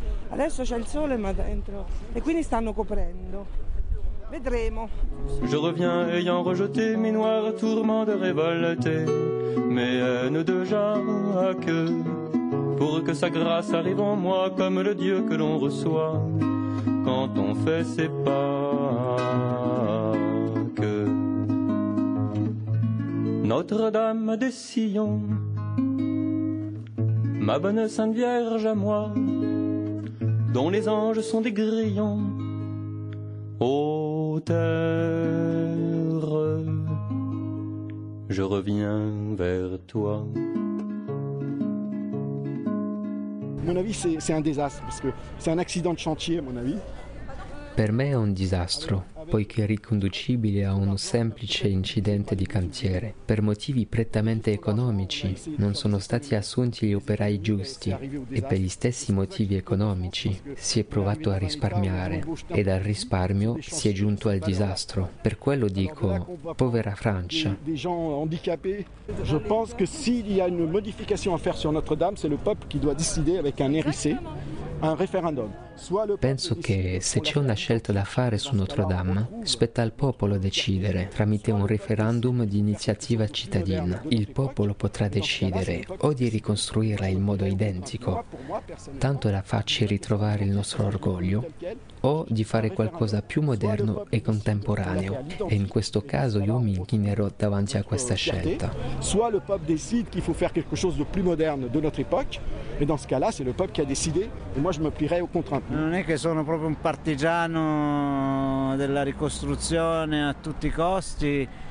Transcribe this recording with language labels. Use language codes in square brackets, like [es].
[it] adesso c'è il sole, ma dentro, e quindi stanno coprendo. Vedremo. [fr] Je reviens ayant rejeté mes noirs tourments de révolte, mes haines de Jacques, pour que sa grâce arrive en moi comme le Dieu que l'on reçoit quand on fait ses Pâques. Notre-Dame de Sion, ma bonne Sainte Vierge à moi, dont les anges sont des grillons, ô terre, je reviens vers toi. À mon avis, c'est un désastre, parce que c'est un accident de chantier, à mon avis. [it] Per me è un disastro, poiché è riconducibile a un semplice incidente di cantiere. Per motivi prettamente economici non sono stati assunti gli operai giusti e per gli stessi motivi economici si è provato a risparmiare e dal risparmio si è giunto al disastro. Per quello dico, povera Francia. [fr] Je pense que s'il y a une modification à faire sur Notre-Dame, c'est le peuple qui doit décider avec un hérissé. Un referendum. [it] Penso che se c'è una scelta da fare su Notre-Dame, spetta al popolo decidere tramite un referendum di iniziativa cittadina. Il popolo potrà decidere o di ricostruirla in modo identico, tanto da farci ritrovare il nostro orgoglio, o di fare qualcosa più moderno e contemporaneo. E in questo caso io mi inchinerò davanti a questa scelta. [fr] Soit le peuple décide qu'il faut faire quelque chose de plus moderne de notre époque, e dans ce cas-là, c'est le peuple qui a décidé, et moi je me plierai au contraire. [it] Non è che sono proprio un partigiano della ricostruzione a tutti i costi.